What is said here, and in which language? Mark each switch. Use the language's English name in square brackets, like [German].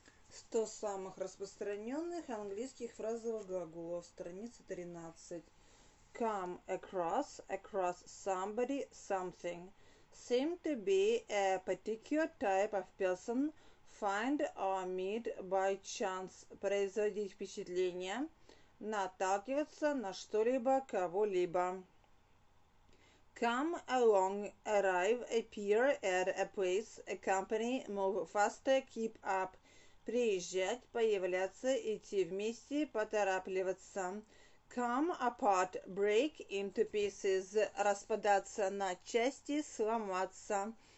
[Russian] 100 самых распространенных английских фразовых глаголов, страница 13. [English] Come across, across somebody, something. Seem to be a particular type of person. Find or meet by chance. [Russian] Производить впечатление. Наталкиваться на что-либо, кого-либо. [English] Come along, arrive, appear at a place, accompany, move faster, keep up. [Russian] Приезжать, появляться, идти вместе, поторапливаться. [English] Come apart, break into pieces, [Russian] распадаться на части, сломаться.